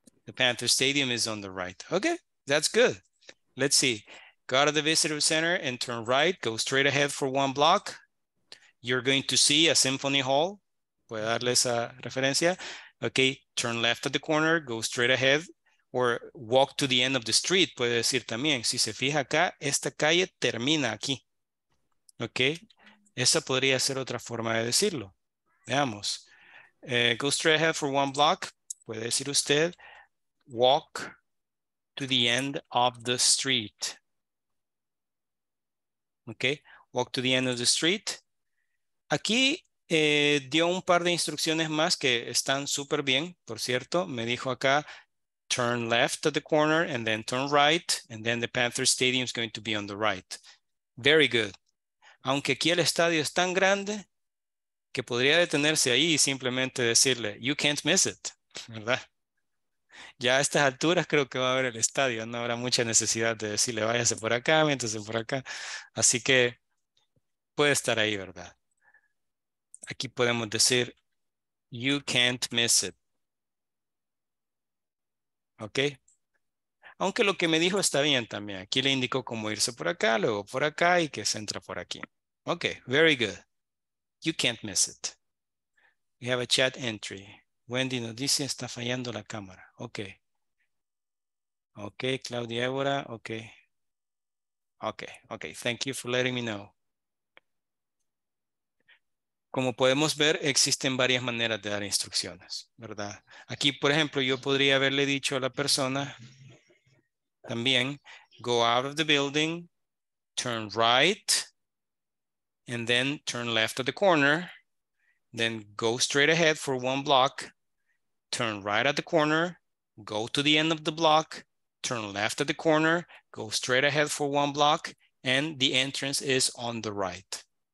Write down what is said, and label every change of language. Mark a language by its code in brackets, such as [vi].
[en] The Panther Stadium is on the right. Okay, that's good. Let's see. Go to the visitor center and turn right. Go straight ahead for one block. You're going to see a symphony hall. [es] Voy a darles a referencia. [en] Okay, turn left at the corner. Go straight ahead. Or walk to the end of the street. [es] Puede decir también. Si se fija acá, esta calle termina aquí. Okay. Esa podría ser otra forma de decirlo. Veamos. [en] Go straight ahead for one block. [es] Puede decir usted. [en] Walk to the end of the street. Okay, walk to the end of the street. [es] Aquí dio un par de instrucciones más que están súper bien, por cierto. Me dijo acá, [en] turn left at the corner and then turn right. And then the Panther Stadium is going to be on the right. Very good. [es] Aunque aquí el estadio es tan grande que podría detenerse ahí y simplemente decirle, [en] you can't miss it, [es] ¿verdad? Ya a estas alturas creo que va a haber el estadio, no habrá mucha necesidad de decirle váyase por acá, métase por acá. Así que puede estar ahí, ¿verdad? Aquí podemos decir, [en] you can't miss it. [es] ¿Ok? Aunque lo que me dijo está bien también. Aquí le indicó cómo irse por acá, luego por acá y que se entra por aquí. [en] Ok, very good. You can't miss it. We have a chat entry. [es] Wendy nos dice, está fallando la cámara. Ok. Ok, Claudia Évora, ok. [en] Ok, ok, thank you for letting me know. [es] Como podemos ver, existen varias maneras de dar instrucciones, ¿verdad? Aquí, por ejemplo, yo podría haberle dicho a la persona, también, [en] go out of the building, turn right, and then turn left at the corner, then go straight ahead for one block, turn right at the corner, go to the end of the block, turn left at the corner, go straight ahead for one block, and the entrance is on the right.